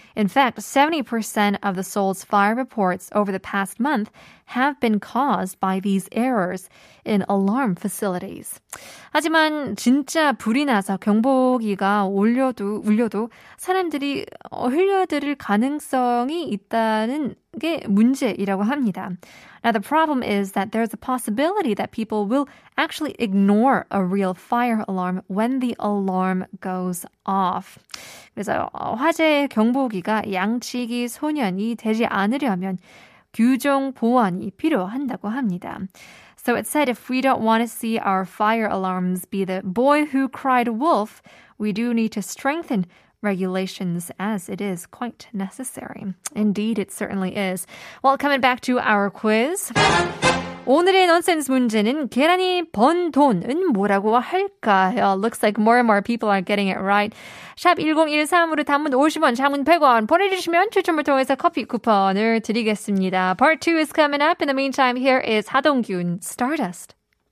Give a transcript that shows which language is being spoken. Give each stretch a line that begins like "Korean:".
English: In fact, 70% of the Seoul's fire reports over the past month have been caused by these errors in alarm facilities.
Korean: 하지만 진짜 불이 나서 경보기가 울려도 사람들이 흘려들을 가능성이 있다는 게 문제이라고 합니다.
English: Now the problem is that there's a possibility that people will actually ignore a real fire alarm when the alarm goes off.
Korean: 그래서 화재 경보기가 양치기 소년이 되지 않으려면 규정 보완이 필요한다고 합니다.
English: So it said if we don't want to see our fire alarms be the boy who cried wolf, we do need to strengthen regulations as it is quite necessary. Indeed, it certainly is. Well, coming back to our quiz.
Korean: 오늘의 nonsense 문제는 계란이 번 돈은 뭐라고 할까요?
English: Looks like more and more people are getting it right.
Korean: 샵 1013으로 단문 50원, 장문 100원 보내주시면 추첨을 통해서 커피 쿠폰을 드리겠습니다.
English: Part 2 is coming up. In the meantime, here is
Korean: 하동균, Stardust.